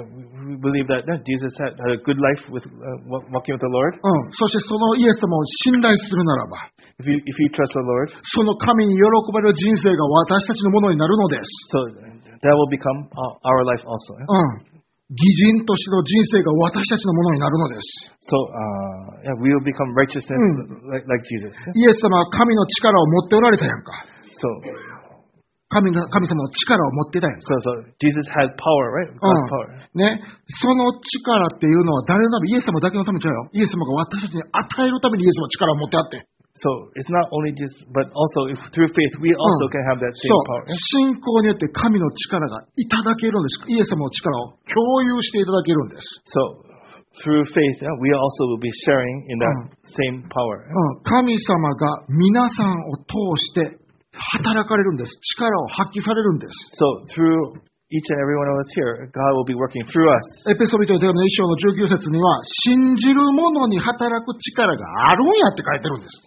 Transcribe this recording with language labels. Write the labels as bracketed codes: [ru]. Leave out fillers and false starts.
[en] So we believe that Jesus had a good life with walking with the Lord. [ja] そしてそのイエス様を信頼するならば、 [en] if you trust the Lord, [ja] その神に喜ばれる人生が私たちのものになるのです。 [en] So that will become our life also. [ja] 義人としての人生が私たちのものになるのです。 [en] So, yeah, we will become righteous and like Jesus. [ja] イエス様は神の力を持っておられたやんか。 [en] So, [ja] 神様の力を持ってたやんか。 [en] So, so, Jesus had power, right? God's power. [ja] ね。その力っていうのは誰のため、イエス様だけのためじゃよ。イエス様が私たちに与えるためにイエス様は力を持ってあって。 [en] So it's not only just, but also if through faith we also can have that same power. [ja] そう、信仰によって神の力がいただけるんです。イエス様の力を共有していただけるんです。 [en] So through faith, yeah, we also will be sharing in that same power. [ja] 神様が皆さんを通して働かれるんです。力を発揮されるんです。 [en] So through each and every one of us here, God will be working through us. [ja] エペソ人への手紙の一章の19節には、信じる者に働く力があるんやって書いてるんです。